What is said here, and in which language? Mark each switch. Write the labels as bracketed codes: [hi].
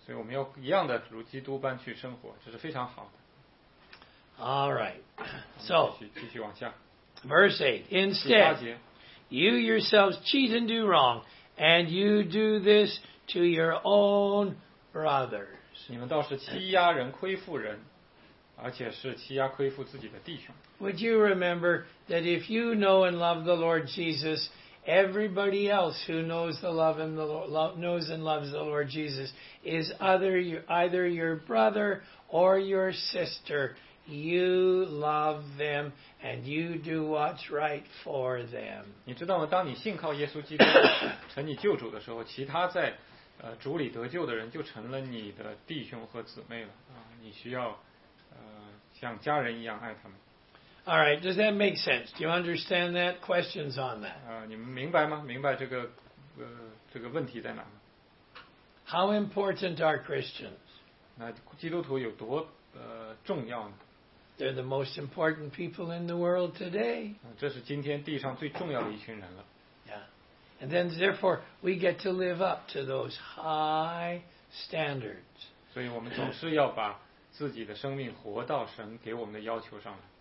[zh] 所以我们要一样的如基督般去生活，这是非常好的。 [en] All right. So, [zh] 继续往下。 [en] Verse 8. Instead,You yourselves cheat and do wrong, and you do this to your own brothers. [zh] 你们倒是欺压人、亏负人，而且是欺压、亏负自己的弟兄。 [en] Would you remember that if you know and love the Lord Jesus, everybody else who knows the love and the Lord, knows and loves the Lord Jesus is either your brother or your sister. You love them. And you do what's right for them. [zh] 你知道吗？当你信靠耶稣基督，成你救主的时候，其他在主里得救的人就成了你的弟兄和姊妹了。你需要像家人一样爱他们。 [en] All right, does that make sense? Do you understand that? Questions on that? [zh] 你们明白吗？明白这个这个问题在哪呢？ [en] How important are Christians? [zh] 那基督徒有多重要呢？ [en] They're the most important people in the world today. [zh] 这是今天地上最重要的一群人了。 [en] Yeah. And then therefore, we get to live up to those high standards. [zh] 所以我们总是要把自己的生命活到神给我们的要求上来。